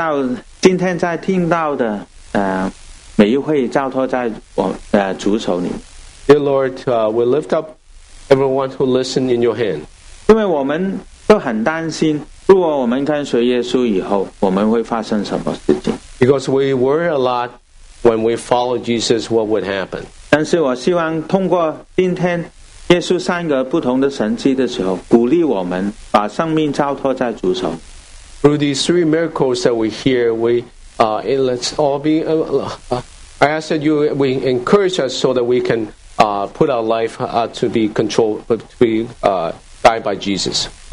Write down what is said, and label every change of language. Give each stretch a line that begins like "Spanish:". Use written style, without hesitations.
Chinese: 现在主，我为到今天在听到的 每一位交托在主手里。
English: Dear Lord, we lift up everyone who listen in your hand.
Chinese: 因为我们都很担心，如果我们跟随耶稣以后，我们会发生什么事情。
English: Because we worry a lot when we follow Jesus, what would happen.
Chinese: 但是我希望通过今天
English: Through these three miracles that we hear, I ask that we encourage us so that we can put our life to be controlled, to be guided by Jesus.